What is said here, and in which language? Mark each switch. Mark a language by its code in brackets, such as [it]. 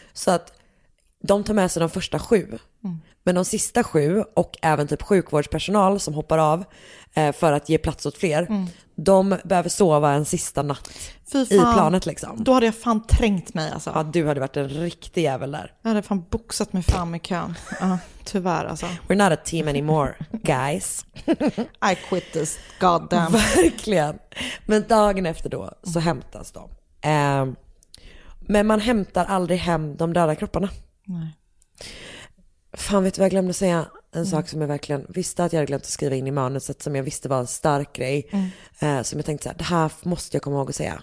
[sv] Så att de tar med sig de första 7. Men de sista 7 och även typ sjukvårdspersonal som hoppar av för att ge plats åt fler. De behöver sova en sista natt i planet liksom. Då hade jag fan trängt mig alltså. Ja, du hade varit en riktig jävel där. Jag hade fan boxat mig fram i kön. Tyvärr alltså. [en] We're not a team anymore, guys. I quit this, goddamn. [sv] Verkligen. Men dagen efter då så hämtas de. Men man hämtar aldrig hem de döda kropparna. Nej. Fan, vet du vad jag glömde säga? En sak som jag verkligen visste att jag hade glömt att skriva in i manuset, som jag visste var en stark grej, som jag tänkte så här, det här måste jag komma ihåg att säga.